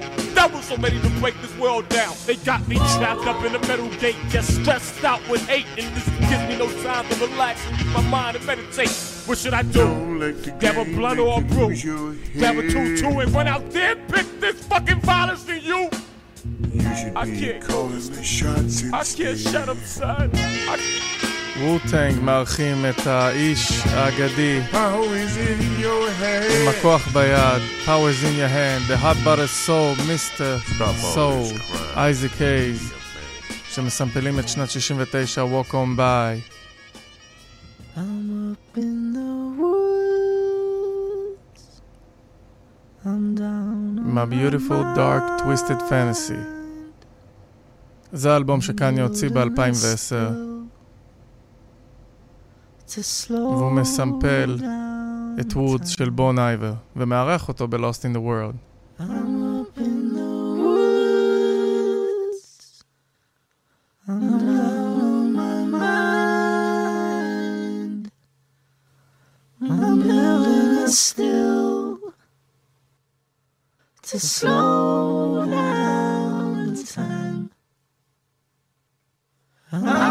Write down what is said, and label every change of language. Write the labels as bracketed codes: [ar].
[en] There were so many to break this world down. They got me trapped up in a metal gate, just stressed out with hate. And this gives me no time to relax and use my mind and meditate. What should I do? Grab a blunt or a brew? Grab a 2-2 and run out there and pick this fucking violence to you? You should be calling the shots. I can't shut up, son. [he] Wu-Tang מארחים את האיש האגדי עם הכוח ביד. [en] How is in your hand? The hot butter soul, Mr. [he] Soul, Isaac Hayes, שמסמפלים את שנת 69, Walk on by. [en] I'm up in the woods, I'm down on my beautiful dark twisted fantasy. [he] זה האלבום שקניה הוציא ב-2010 והוא מסמפל את וודס של בון אייבר ומערך אותו ב-Lost in the World. [en] I'm up in the woods, I'm down on my mind, I'm building a still to slow down time.